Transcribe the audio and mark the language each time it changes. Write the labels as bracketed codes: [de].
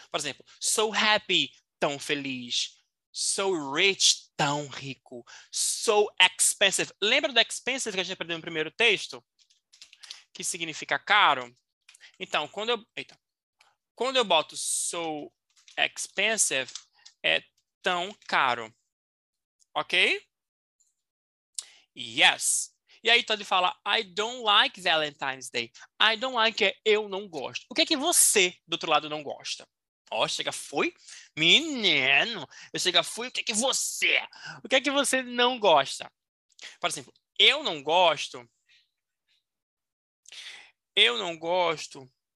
[pt] Por exemplo, [en] so happy, [pt] tão feliz, [en] so rich, [pt] tão rico, [en] so expensive. [pt] Lembra do expensive que a gente aprendeu no primeiro texto? Que significa caro? Então, quando eu boto [en] so expensive, [pt] é tão caro. [en] Ok? Yes. [pt] E aí, Todd fala, [en] I don't like Valentine's Day. I don't like [pt] é eu não gosto. O que é que você, do outro lado, não gosta? Ó, chega, fui. Menino, eu chega, fui. O que é que você? O que é que você não gosta? Por exemplo, eu não gosto. Eu não gosto.